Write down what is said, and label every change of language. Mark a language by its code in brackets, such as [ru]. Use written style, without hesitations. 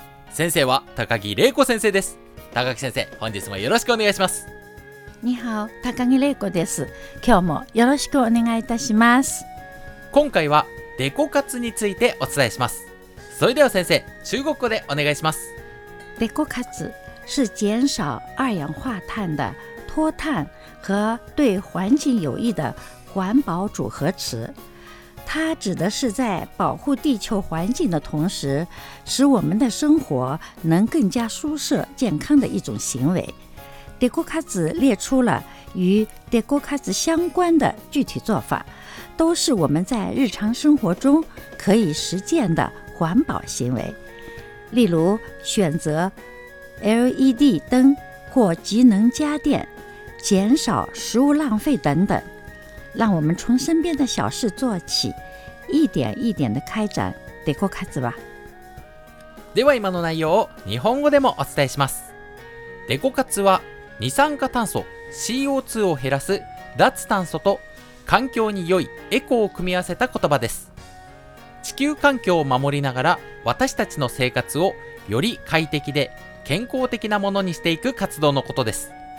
[ja] 先生は高木玲子先生です。高木先生、本日もよろしくお願いします。 [zh] 你好、 [ja] 高木玲子です。今日もよろしくお願いいたします。今回はデコ活についてお伝えします。それでは先生、中国語でお願いします。 [zh] デコ活是减少二氧化碳的脱碳和对环境有益的环保组合词，它指的是在保护地球环境的同时，使我们的生活能更加舒适健康的一种行为。デコ活列出了与デコ活相关的具体做法，都是我们在日常生活中可以实践的环保行为。例如，选择LED 灯或节能家电，减少食物浪费等等，让我们从身边的小事做起，一点一点的开展デコ活吧。 [ja] では今の内容を日本語でもお伝えします。デコ活は二酸化炭素 CO2 を減らす脱炭素と環境に良いエコを組み合わせた言葉です。地球環境を守りながら私たちの生活をより快適で健康的なものにしていく活動のことです。